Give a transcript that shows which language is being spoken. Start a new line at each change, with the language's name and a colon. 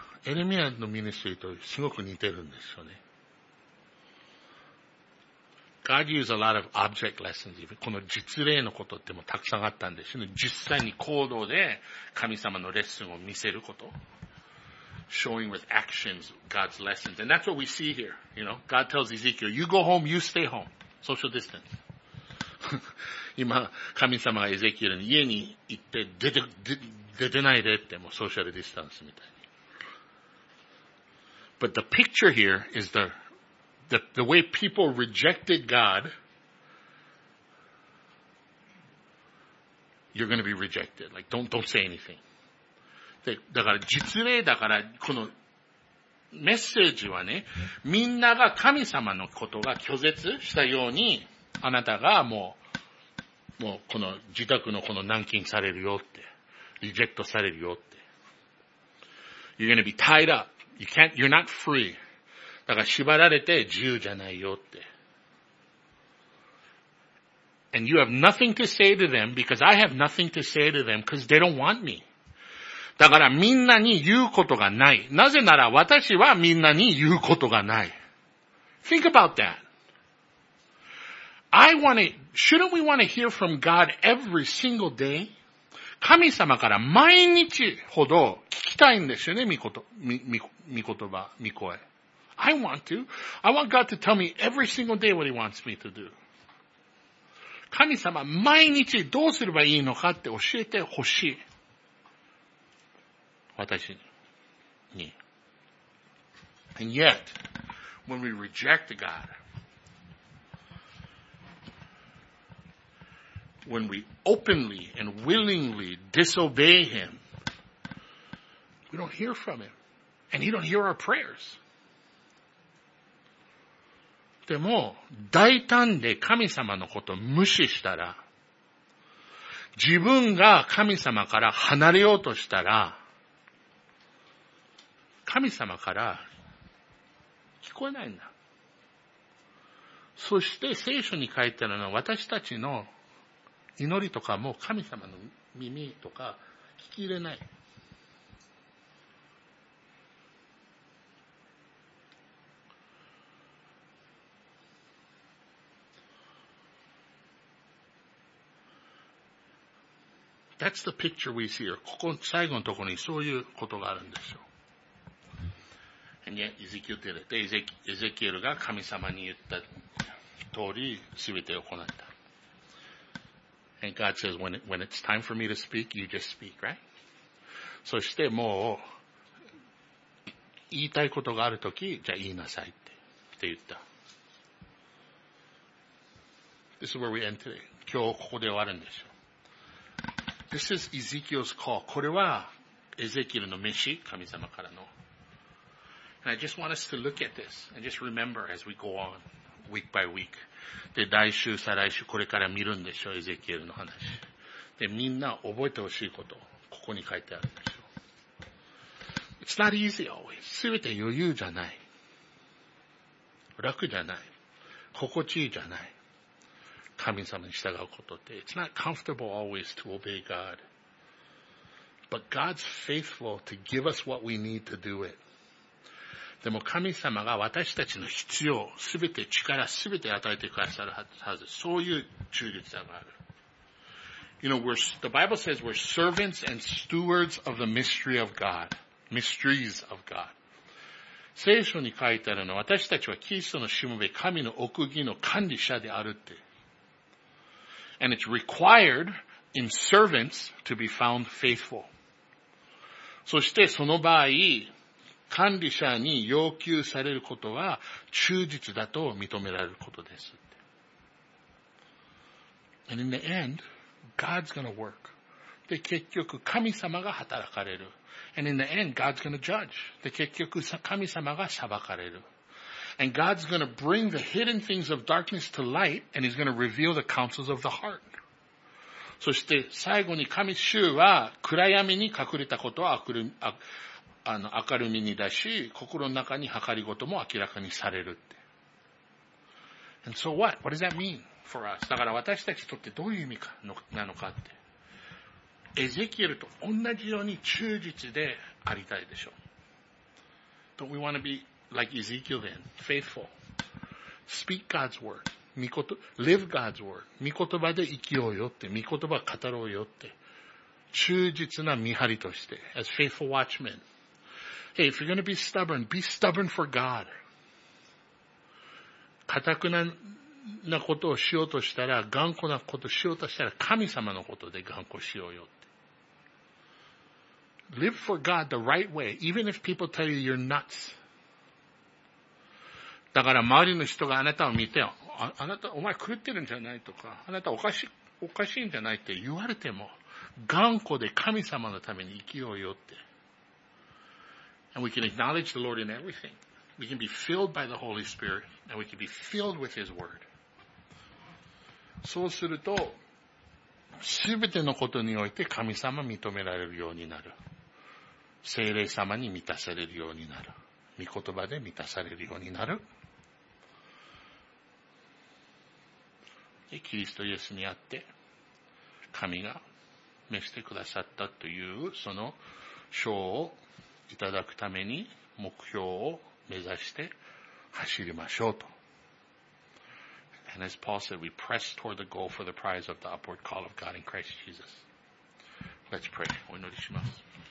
Japanese: エレミアのミニストリーとすごく似てるんですよね。
English: God used a lot of object lessons.
Japanese: この実例のことってもたくさんあったんですよね。実際に行動で神様のレッスンを見せること。
English: Showing with actions God's lessons. And that's what we see here. You know, God tells Ezekiel, you go home, you stay home. Social distance.
Japanese: 今、神様がエゼキエルに家に行って出てないでってもうソーシャルディスタンスみたいに。
English: But the picture here is the way people rejected God, you're going to be rejected. Like, don't say anything.
Japanese: で、だから実例だから、このメッセージはね、みんなが神様のことが拒絶したように、あなたがもうこの自宅のこの軟禁されるよって、リジェクトされるよって。
English: You're gonna be tied up. You're not free.
Japanese: だから縛られて自由じゃないよって。
English: And you have nothing to say to them because I have nothing to say to them because they don't want me.
Japanese: だからみんなに言うことがない。なぜなら私はみんなに言うことがない。
English: Think about that. Shouldn't we want to hear from God every single day?
Japanese: 神様から毎日ほど聞きたいんですよね、御言葉、御声。
English: I want to. I want God to tell me every single day what He wants me to do.
Japanese: 神様毎日どうすればいいのかって教えてほしい。私に。
English: And yet, when we reject God,When we openly and willingly disobey Him, we don't hear from Him. And He don't hear our prayers.
Japanese: でも、大胆で神様のことを無視したら、自分が神様から離れようとしたら、神様から聞こえないんだ。そして聖書に書いてあるのは私たちの祈りとかも神様の耳とか聞き入れない。
English: That's the picture we see here.
Japanese: ここ最後のところにそういうことがあるんですよ。
English: And yet, Ezekiel did it.
Japanese: Ezekiel が神様に言った通り全てを行った。
English: And God says, when it's time for me to speak, you just speak, right?
Japanese: そしてもう、言いたいことがあるとき、じゃあ言いなさいって言った。
English: This is where we end today.
Japanese: 今日ここで終わるんですよ。
English: This is Ezekiel's call.
Japanese: これは、エゼキエルの召し、神様からの。
English: And I just want us to look at this and just remember as we go on. Week by week.
Japanese: で、来週、再来週、これから見るんでしょ、エゼキエルの話。で、みんな覚えてほしいこと、ここに書いてあるんでしょ。
English: It's not easy always.
Japanese: すべて余裕じゃない。楽じゃない。心地いいじゃない。神様に従うことって。
English: It's not comfortable always to obey God. But God's faithful to give us what we need to do it.
Japanese: でも神様が私たちの必要、すべて力、すべて与えてくださるはず。そういう忠実さがある。
English: You know, the Bible says we're servants and stewards of the mystery of God. Mysteries of God.
Japanese: 聖書に書いてあるのは私たちはキリストのしもべ、神の奥義の管理者であるって。
English: And it's required in servants to be found faithful.
Japanese: そしてその場合、管理者に要求されることは忠実だと認められることですって。
English: And in the end, God's gonna work.
Japanese: で、結局神様が働かれる。
English: And in the end, God's gonna judge.
Japanese: で、結局神様が裁かれる。
English: And God's gonna bring the hidden things of darkness to light, and he's gonna reveal the counsels of the heart.
Japanese: そして最後に神主は暗闇に隠れたことを明るみに出し、心の中に計り事も明らかにされるって。
English: And so what? What does that mean for us?
Japanese: だから私たちにとってどういう意味かなのかって。エゼキエルと同じように忠実でありたいでしょう。
English: Don't we want to be like Ezekiel then? Faithful. Speak God's word. Live God's word.
Japanese: 御言葉で生きようよって、御言葉を語ろうよって。忠実な見張りとして。
English: As faithful watchmen. Hey, if you're going to be stubborn for God.
Japanese: 堅くなことをしようとしたら、頑固なことをしようとしたら、神様のことで頑固しようよ。
English: Live for God the right way, even if people tell you you're nuts.
Japanese: だから周りの人があなたを見て、あなた、お前狂ってるんじゃないとか、あなたおかしいんじゃないって言われても、頑固で神様のために生きようよって。
English: And we can acknowledge the Lord in everything. We can be filled by the Holy Spirit, and we can be filled with His Word.
Japanese: そうすると、すべてのことにおいて神様を認められるようになる。聖霊様に満たされるようになる。御言葉で満たされるようになる。で、キリストイエスにあって、神が召してくださったという、その賞をいただくために、目標を目指して走りましょうと。
English: And as Paul said, we press toward the goal for the prize of the upward call of God in Christ Jesus. Let's pray.
Japanese: お祈りします。